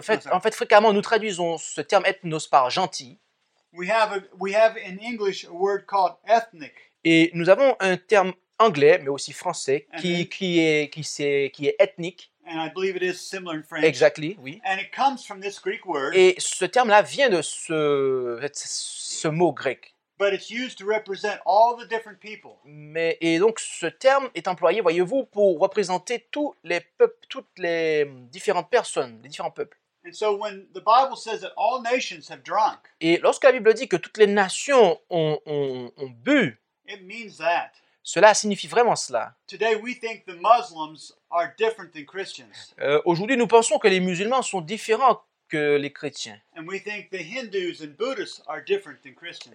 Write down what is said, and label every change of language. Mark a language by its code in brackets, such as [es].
[fr] En fait, fréquemment, nous traduisons ce terme ethnos par gentil. [en] We have in English a word called ethnic. [fr] Et nous avons un terme anglais, mais aussi français, qui est ethnic. [en] And I believe it is similar in French. Exactly, oui. And it comes from this Greek word. [fr] Et ce terme-là vient de ce mot grec. [en] But it's used to represent all the different people. [fr] Mais et donc ce terme est employé, voyez-vous, pour représenter tous les peuples, toutes les différentes personnes, les différents peuples. [en] And so when the Bible says that all nations have drunk. [fr] Et lorsque la Bible dit que toutes les nations ont bu. [en] It means that. [fr] Cela signifie vraiment cela. [en] Today we think the Muslims are different than Christians. [fr] Aujourd'hui, nous pensons que les musulmans sont différents que les chrétiens. [en] And we think the Hindus and Buddhists are different than Christians.